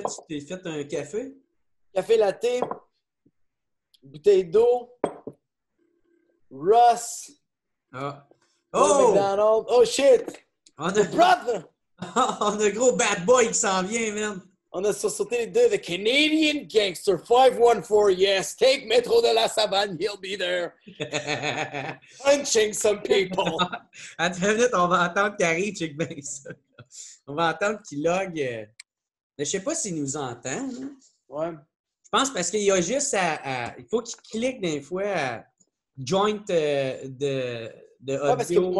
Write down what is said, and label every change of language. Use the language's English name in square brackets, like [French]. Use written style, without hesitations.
[French] Tu t'es fait un café? Café latte, bouteille d'eau, Russ. Ah. Oh! [English] McDonald's. Oh, shit! [French] On a... [English] Brother! [French] On a gros bad boy qui s'en vient, man. On a sursauté les deux. The Canadian Gangster 514, yes. [English] Take Metro de la Savane, he'll be there. Punching some people. [French] Attends une minute, on va attendre qu'il arrive, check bien ça. On va attendre qu'il log... Mais je sais pas s'il nous entend. Ouais. Je pense parce qu'il y a juste à il faut qu'il clique d'un fois à joint de audio.